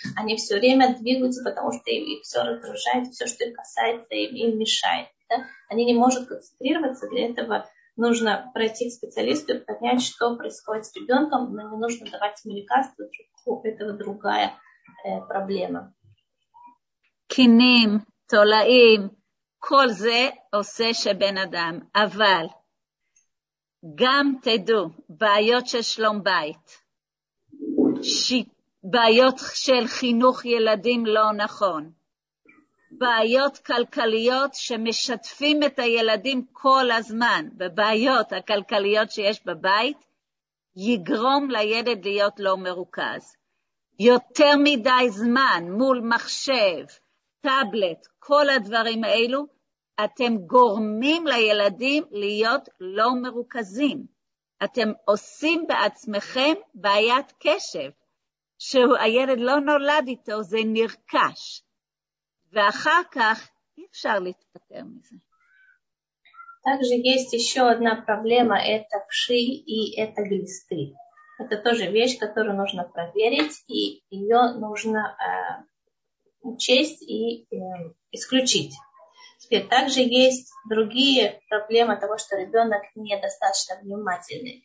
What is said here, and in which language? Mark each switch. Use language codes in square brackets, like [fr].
[ru] Они все время двигаются, потому что им все раздражает, все, что их касается, им мешает. Да? Они не могут концентрироваться. Для этого нужно пройти к специалисту и понять, что происходит с ребенком. Но не нужно давать ему лекарства, у этого другая проблема. [he] Киним. תולעים, כל זה עושה שבן אדם, אבל גם תדעו, בעיות של שלום בית, בעיות של חינוך ילדים לא נכון, בעיות כלכליות שמשתפים את הילדים כל הזמן, בבעיות הכלכליות שיש בבית, יגרום לילד להיות לא מרוכז. יותר מדי זמן מול מחשב, טאבלט, כל הדברים האלו, אתם גורמים לילדים להיות לא מרוכזים. אתם עושים בעצמכם בעיית קשב, שהילד לא נולד איתו, זה נרכש. ואחר כך אי אפשר להתפטר מזה. [ru] также есть еще одна проблема, это пши и это глисты. Это тоже вещь, которую нужно проверить, и ее нужно учесть и исключить. Теперь также есть другие проблемы того, что ребенок недостаточно внимательный.